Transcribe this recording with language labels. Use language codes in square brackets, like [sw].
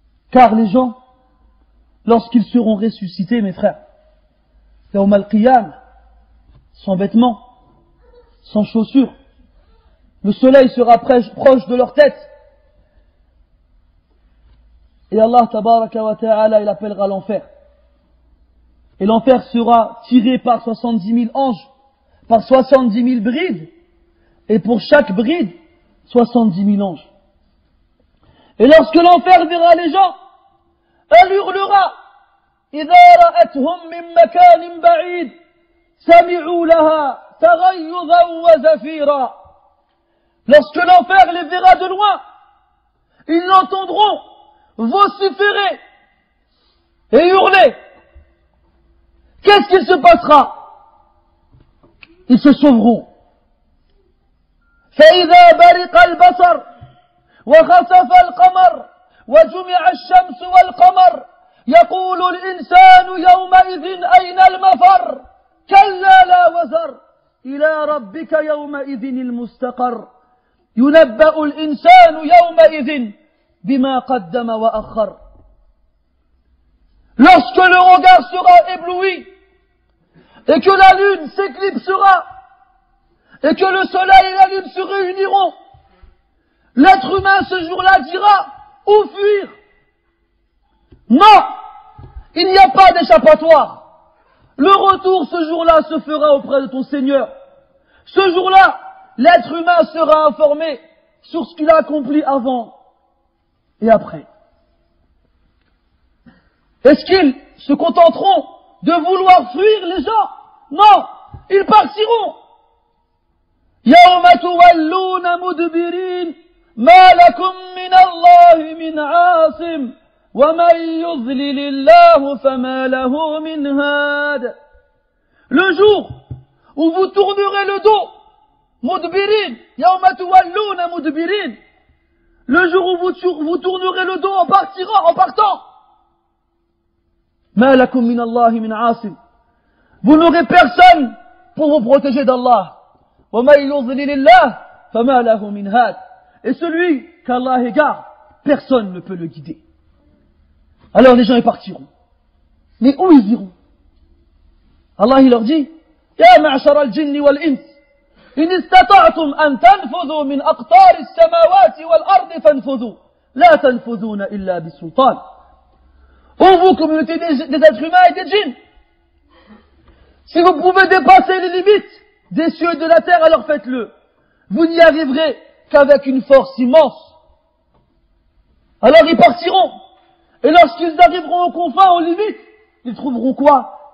[fr] Car les gens, lorsqu'ils seront ressuscités, mes frères, yawm al-qiyam, sans vêtements, sans chaussures, le soleil sera proche de leur tête, et Allah tabaraka wa ta'ala, il appellera l'enfer. Et l'enfer sera tiré par 70 000 anges, par 70 000 brides, et pour chaque bride, 70 000 anges. Et lorsque l'enfer verra les gens, elle hurlera, [ar] إِذَا رَأَتْهُمْ مِنْ مَكَانٍ بَعِيدٍ سَمِعُوا لَهَا تَغَيُّظًا وَزَفِيرًا. [fr] Lorsque l'enfer les verra de loin, ils l'entendront vociférer et hurler. Qu'est-ce qu'il se passera? Ils se sauveront. [ar] فَإِذَا بَرِقَ الْبَصَرُ وَخَسَفَ الْقَمَرُ وَجُمِعَ الشَّمْسُ وَالْقَمَرُ يقول الإنسان يومئذ أين المفر كلا لا وزر إلى ربك يومئذ المستقر ينبأ الإنسان يومئذ بما قدم وأخر. [fr] Lorsque le regard sera ébloui et que la lune s'éclipsera et que le soleil et la lune se réuniront, l'être humain ce jour-là dira: où fuir? Non, il n'y a pas d'échappatoire. Le retour ce jour-là se fera auprès de ton Seigneur. Ce jour-là, l'être humain sera informé sur ce qu'il a accompli avant et après. Est-ce qu'ils se contenteront de vouloir fuir les gens? Non, ils partiront. [ar] يوم تولون مدبرين ما لكم من الله من عاصم ومن يضلل الله فما له من هاد. [fr] Le jour où vous tournerez le dos, [ar] مدبرين, يوم تولون مدبرين, [fr] le jour où vous tournerez le dos en partant, [ar] ما لكم من الله من عاصم, [fr] vous n'aurez personne pour vous protéger d'Allah. [ar] وَمَنْ يُظْلِلِ اللَّهِ فَمَا لَهُ مِنْ هَادِ. [fr] Et celui qu'Allah égare, personne ne peut le guider. Alors les gens, ils partiront. Mais où ils iront? Allah, il leur dit: [ar] يَا مَعْشَرَ الْجِنِّ وَالْإِنْسِ إِنِ اسْتَطَعْتُمْ أَنْ تَنْفُذُوا مِنْ أَقْطَارِ السَّمَاوَاتِ وَالْأَرْضِ فَانْفُذُوا لَا تَنْفُذُونَ إِلَّا بِسُلْطَانِ. [fr] Ô vous, communauté des êtres humains et des djinns, si vous pouvez dépasser les limites des cieux et de la terre, alors faites-le. Vous n'y arriverez qu'avec une force immense. Alors ils partiront. Et lorsqu'ils arriveront aux confins, aux limites, ils trouveront quoi?